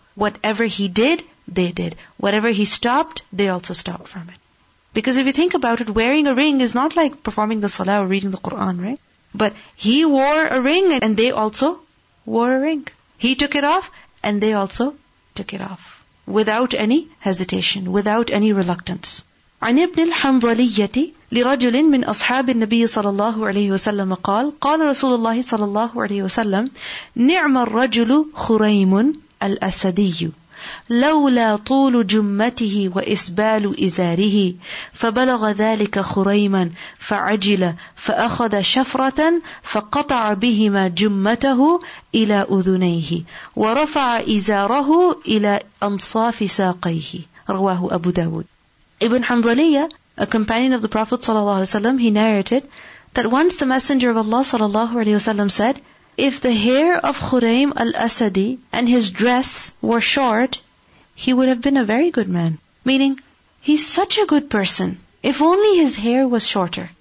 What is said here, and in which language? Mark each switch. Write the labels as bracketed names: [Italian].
[English] Whatever he did, they did. Whatever he stopped, they also stopped from it. Because if you think about it, wearing a ring is not like performing the salah or reading the Quran, right? But he wore a ring and they also wore a ring. He took it off and they also took it off. Without any hesitation, without any reluctance. [Arabic] عن ابن الحنظلية لرجل من أصحاب النبي صلى الله عليه وسلم قال قال رسول الله صلى الله عليه وسلم نعم الرجل خريم الأسدي لولا طول جمته وإسبال إزاره فبلغ ذلك خريما فعجل فأخذ شفرة فقطع بهما جمته إلى أذنيه ورفع إزاره إلى أنصاف ساقيه رواه أبو داود. [English] Ibn Hanzaliyya, a companion of the Prophet sallallahu alaihi wasallam, he narrated that once the Messenger of Allah sallallahu alaihi wasallam said, if the hair of Khuraym al-Asadi and his dress were short, he would have been a very good man. Meaning, he's such a good person. If only his hair was shorter.